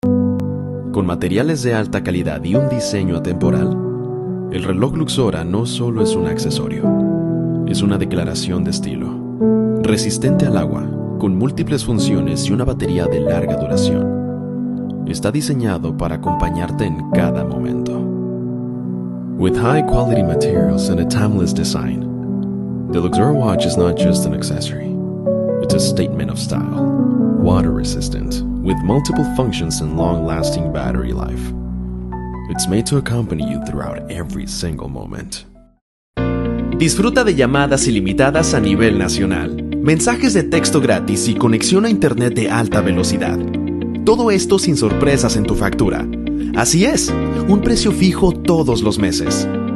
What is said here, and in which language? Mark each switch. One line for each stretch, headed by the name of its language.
Spanish: Con materiales de alta calidad y un diseño atemporal, el reloj Luxora no solo es un accesorio, es una declaración de estilo. Resistente al agua, con múltiples funciones y una batería de larga duración, está diseñado para acompañarte en cada momento.
English: With high quality materials and a timeless design, the Luxora watch is not just an accessory. It's a statement of style. Water resistant, with multiple functions and long lasting battery life. It's made to accompany you throughout every single moment.
Spanish: Disfruta de llamadas ilimitadas a nivel nacional, mensajes de texto gratis y conexión a internet de alta velocidad. Todo esto sin sorpresas en tu factura. Así es, un precio fijo todos los meses.